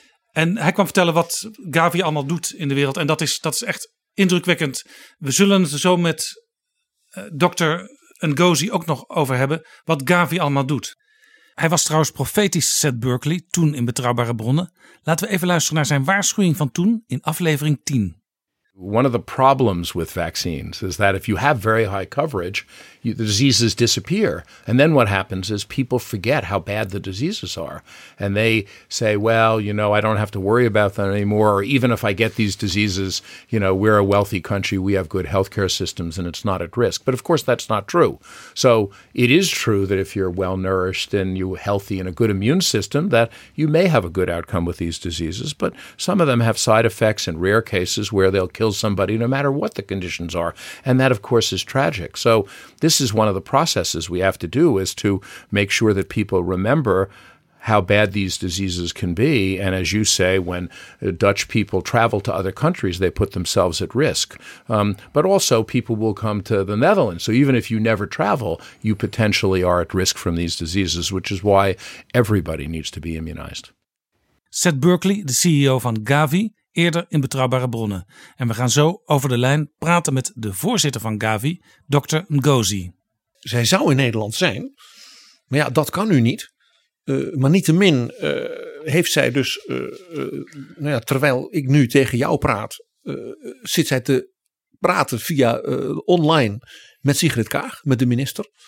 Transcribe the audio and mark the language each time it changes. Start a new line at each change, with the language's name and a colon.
Dutch: En hij kwam vertellen wat Gavi allemaal doet in de wereld. En dat is echt indrukwekkend. We zullen het er zo met dokter Ngozi ook nog over hebben, wat Gavi allemaal doet. Hij was trouwens profetisch, Seth Berkley, toen in Betrouwbare Bronnen. Laten we even luisteren naar zijn waarschuwing van toen in aflevering 10.
English: One of the problems with vaccines is that if you have very high coverage, the diseases disappear. And then what happens is people forget how bad the diseases are. And they say, well, you know, I don't have to worry about them anymore. Or even if I get these diseases, you know, we're a wealthy country, we have good healthcare systems, and it's not at risk. But of course, that's not true. So it is true that if you're well-nourished and you're healthy and a good immune system, that you may have a good outcome with these diseases. But some of them have side effects in rare cases where they'll kill somebody no matter what the conditions are. And that, of course, is tragic. So this is one of the processes we have to do, is to make sure that people remember how bad these diseases can be. And as you say, when Dutch people travel to other countries, they put themselves at risk. But also people will come to the Netherlands. So even if you never travel, you potentially are at risk from these diseases, which is why everybody needs to be immunized.
Dutch: Seth Berkley,
English: the CEO
Dutch: van Gavi, eerder in Betrouwbare Bronnen. En we gaan zo over de lijn praten met de voorzitter van Gavi, dokter Ngozi. Zij zou in Nederland zijn, maar ja, dat kan nu niet. Maar niettemin heeft zij dus, terwijl ik nu tegen jou praat, zit zij te praten via online met Sigrid Kaag, met de minister.